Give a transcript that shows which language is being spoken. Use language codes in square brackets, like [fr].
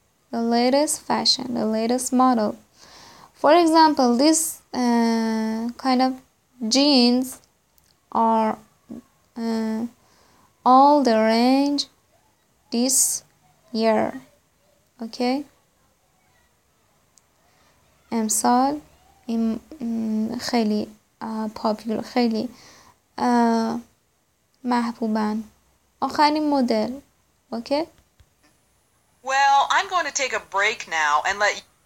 [en] The latest model. For example, this kind of jeans are all the rage this year. Okay? [fa] امسال این خیلی پاپیول خیلی محبوبن آخرین مدل اوکی [en] Well, I'm going to take a break now and let